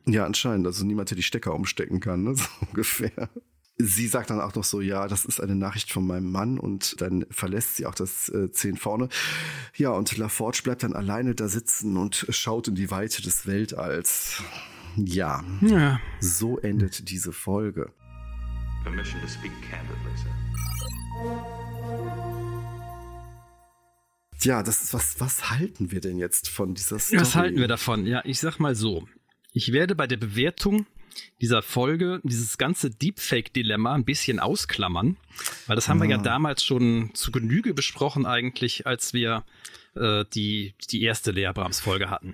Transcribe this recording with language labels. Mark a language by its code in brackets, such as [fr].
[de] Ja, anscheinend, also niemand, der die Stecker umstecken kann, ne? So ungefähr. Sie sagt dann auch noch so, ja, das ist eine Nachricht von meinem Mann und dann verlässt sie auch das 10 vorne. Ja, und LaForge bleibt dann alleine da sitzen und schaut in die Weite des Weltalls. Ja. So endet diese Folge. [en] Permission to speak candidly, sir. [de] Ja, das ist was halten wir denn jetzt von dieser Story? Was halten wir davon? Ja, ich sag mal so. Ich werde bei der Bewertung dieser Folge dieses ganze Deepfake-Dilemma ein bisschen ausklammern, weil das haben wir ja damals schon zu Genüge besprochen eigentlich, als wir die erste Lea Brahms-Folge hatten.